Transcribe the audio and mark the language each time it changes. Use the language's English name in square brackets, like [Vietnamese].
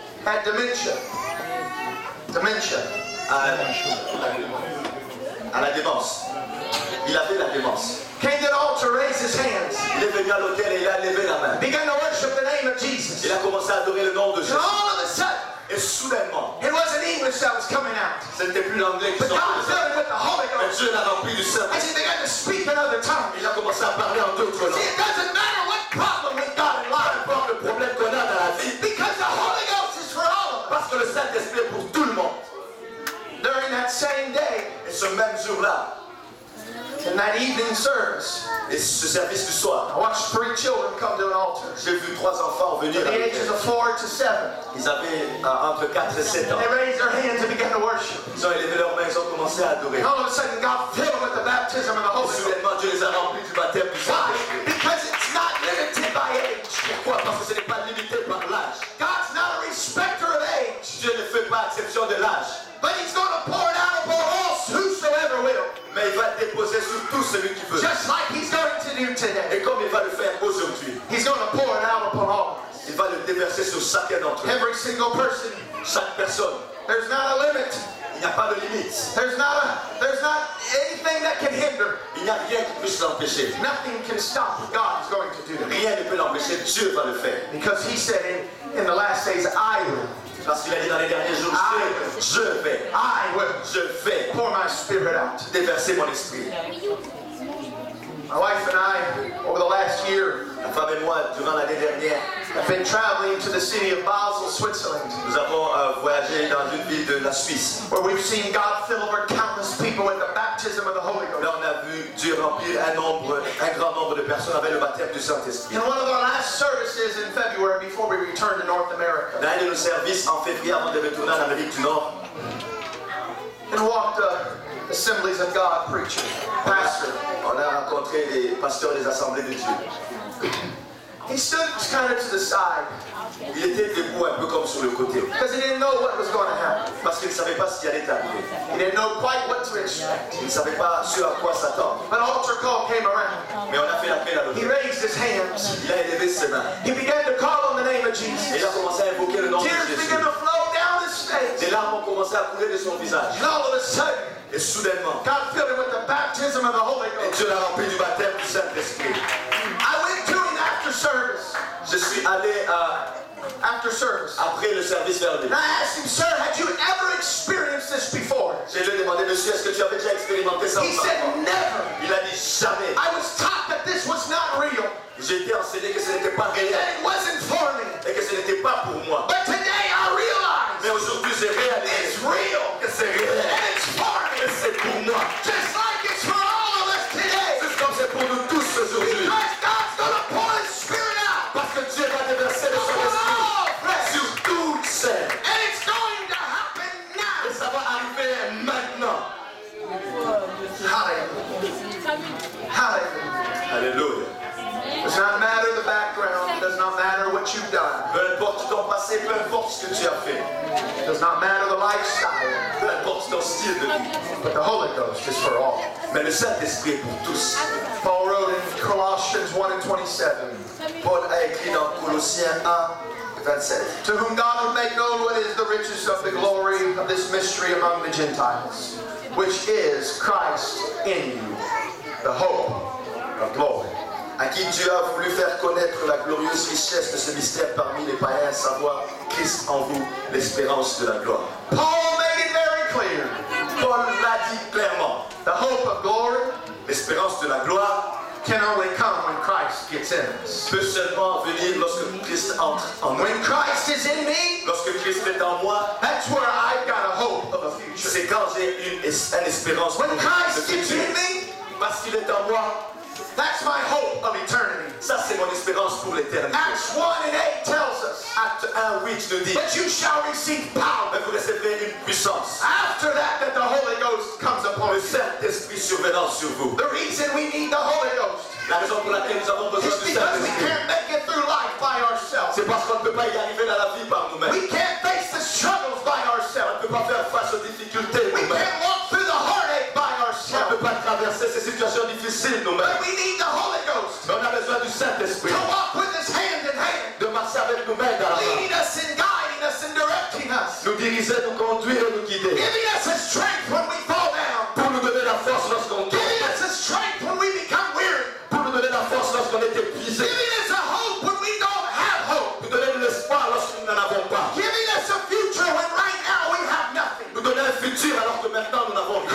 [English] Had dementia. Dementia. [French] À la démence. Il avait la démence. [English] Came to the altar, raised his hands. [French] Il est venu à l'autel et il a levé la main. [English] Began to worship the name of Jesus. [French] Il a commencé à adorer le nom de Jésus. [English] And all of a sudden, [French] et soudainement, [English] it wasn't English that was coming out. [French] C'était plus l'anglais qui sortait. [English] But God filled him with the Holy Ghost. [French] Et Dieu l'a rempli du Saint. [English] And he began to speak in other tongues. [French] Il a commencé à parler en d'autres langues. [English] See, it doesn't matter what problem we got in life. [French] Peu importe le problème qu'on a dans la vie. [English] Because the Holy Ghost is for all of us. [French] Parce que le Saint-Esprit est pour tout le monde. [English] During that same day, [French] et ce même jour-là, [English] in that evening service, [French] et ce service du soir, [English] I watched three children come to an altar. [French] J'ai vu trois enfants venir. [English] The ages of 4 to 7. [French] Ils avaient entre 4 et 7 ans. [English] They raised their hands and began to worship. [French] Ils ont élevé leurs mains, ils ont commencé à adorer. [English] All of a sudden, God filled them with the baptism of the Holy Ghost. [French] Soudainement, Dieu les a remplis du baptême du Saint Esprit. [English] Why? Because it's not limited by age. [French] Pourquoi? Parce que ce n'est pas limité par l'âge. [English] God's not a respecter of age. [French] Dieu ne fait pas exception de l'âge. [English] But He's going to pour it out upon all whosoever will. [French] Mais il va déposer sur tout celui qui veut. [English] Just like He's going to do today. [French] Et comme il va le faire aujourd'hui. [English] He's going to pour it out upon all. [French] Il va le déverser sur chacun d'entre eux. [English] Every single person. [French] Chaque personne. [English] There's not a limit. [French] Il n'y a pas de limite. [English] There's not anything that can hinder. [French] Il n'y a rien qui puisse l'empêcher. [English] Nothing can stop what God is going to do. [French] Rien ne peut l'empêcher. Dieu va le faire. [English] Because He said in the last days, I will. [French] Parce qu'il a dit dans les derniers jours, je vais [English] pour my spirit out. [French] Déverser mon esprit. [English] My wife and I, over the last year, [French] ma femme et moi, durant l'année dernière, [English] have been traveling to the city of Basel, Switzerland. [French] Nous avons voyagé dans une ville de la Suisse. [English] Where we've seen God fill over countless people with the baptism of the Holy Ghost. [French] Là, on a vu Dieu remplir un grand nombre de personnes avec le baptême du Saint-Esprit. [English] In one of our last services in February, before we returned to North America, [French] dans un de nos services en février avant de retourner en Amérique du Nord, [English] and walked Assemblies of God preacher, pastor. [French] On a rencontré les pasteurs des assemblées de Dieu. [English] He stood kind of to the side. [French] Il était debout un peu comme sur le côté. [English] Because he didn't know what was going to happen. [French] Parce qu'il ne savait pas ce qui allait arriver. [English] He didn't know quite what to expect. [French] Il ne savait pas ce à quoi s'attendre. [English] An altar call came around. [French] Mais on a fait appel à l'autre. [English] He raised his hands. [French] Il a élevé ses mains. [English] He began to call on the name of Jesus. [French] Et il a commencé à invoquer le nom [English] Tears [French] de Jésus. [English] Began to flow down his face. [French] Des larmes ont commencé à couler de son visage. [English] And all of a sudden, [French] et soudainement, [English] God filled him with the baptism of the Holy Ghost. [French] Et Dieu l'a rempli du baptême du Saint-Esprit. [English] I went to him after service. [French] Je suis allé [English] after service. [French] Après le service vers lui. [English] And I asked him, sir, had you ever experienced this before? [French] Je lui ai demandé, monsieur, est-ce que tu avais déjà expérimenté ça? [English] He said, never. [French] Il a dit, jamais. [English] I was taught that this was not real. [French] J'ai été enseigné que ce n'était pas réel. [English] And it wasn't for me. [French] Et que ce n'était pas pour moi. [English] But today I realize. [French] Mais aujourd'hui j'ai réalisé. [English] It's real. [French] Que c'est réel. [English] And it's for me. [French] C'est pour moi. [English] Just like it's for all of us today. [French] Juste comme c'est pour nous tous aujourd'hui. [English] Because God's gonna pour His Spirit out. [French] Parce que Dieu va déverser le Saint-Esprit sur tout ça. [English] And it's going to happen now. [French] Et ça va arriver maintenant. [English] Hallelujah. Hallelujah. [French] Alléluia. [English] It does not matter the background. It does not matter what you've done. [French] Peu importe ton passé, peu importe ce que tu as fait. [English] It does not matter the lifestyle. [French] Peu importe ton style de vie. [English] But the Holy Ghost is for all. [French] Mais le Saint-Esprit est pour tous. [English] Paul wrote in Colossians 1 and 27. [French] Paul a écrit dans Colossiens 1. [English] To whom God would make known what is the riches of the glory of this mystery among the Gentiles, which is Christ in you, the hope of glory. [French] À qui Dieu a voulu faire connaître la glorieuse richesse de ce mystère parmi les païens, savoir Christ en vous, l'espérance de la gloire. [English] Paul made it very clear. [French] Paul l'a dit clairement. [English] The hope of glory, [French] l'espérance de la gloire, [English] can only come when Christ gets in us. [French] Peut seulement venir lorsque Christ entre en moi. [English] When Christ is in me, [French] lorsque Christ est en moi, [English] that's where I've got a hope of a future. [French] C'est quand j'ai une espérance. [English] When Christ gets in me, [French] parce qu'il est en moi, [English] that's my hope of eternity. [French] Ça c'est mon espérance pour l'éternité. [English] Acts 1 and 8 tells us. [French] Acte 1, 8 nous dit. [English] But you shall receive power. [French] Mais vous recevrez une puissance. [English] After that the Holy Ghost comes upon you. [French] Le Saint-Esprit surviendra sur vous. [English] The reason we need the Holy Ghost. [French] La raison pour laquelle nous avons besoin du Saint-Esprit. [English] Because we can't make it through life by ourselves. [French] C'est parce qu'on ne peut pas y arriver dans la vie par nous-mêmes. [English] We can't face the struggles by ourselves. [French] On ne peut pas faire face aux difficultés nous-mêmes. [English] We can't walk through the heartache by ourselves. [French] On ne peut pas traverser ces situations difficiles nous-mêmes. [English] But we need the Holy Ghost. [French] On a besoin du Saint-Esprit. [English] To walk with His hand in hand. [French] De marcher avec nous main dans la main. [English] Leading us and guiding us and directing us. [French] Nous diriger, nous conduire, nous guider. [English] Giving us His strength when we fall down. [French] Pour nous donner la force lorsqu'on tombe. [English] Giving us His strength when we become weary. [French] Pour nous donner la force lorsqu'on est épuisé. [English] Giving us a hope when we don't have hope. [French] Pour donner l'espoir lorsque nous n'en avons pas. [English] Giving us a future when right now we have nothing. [French] Pour donner un futur alors que maintenant nous n'avons rien.